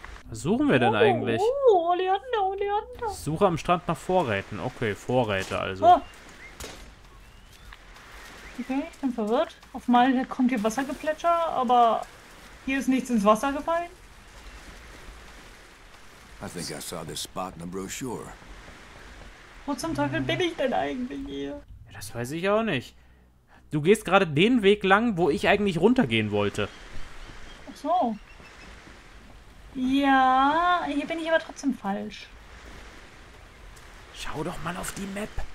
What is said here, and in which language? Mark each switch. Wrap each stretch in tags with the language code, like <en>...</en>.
<de>Was suchen wir denn eigentlich? Oh, Oleander, Oleander. Suche am Strand nach Vorräten. Okay, Vorräte also. Oh. Okay, ich bin verwirrt. Auf einmal kommt hier Wassergeplätscher, aber hier ist nichts ins Wasser gefallen.</de> <en>I think I saw this spot in the brochure.</en> <de>Wo zum Teufel bin ich denn eigentlich hier? Ja, das weiß ich auch nicht. Du gehst gerade den Weg lang, wo ich eigentlich runtergehen wollte. Ach so. Ja, hier bin ich aber trotzdem falsch. Schau doch mal auf die Map.</de>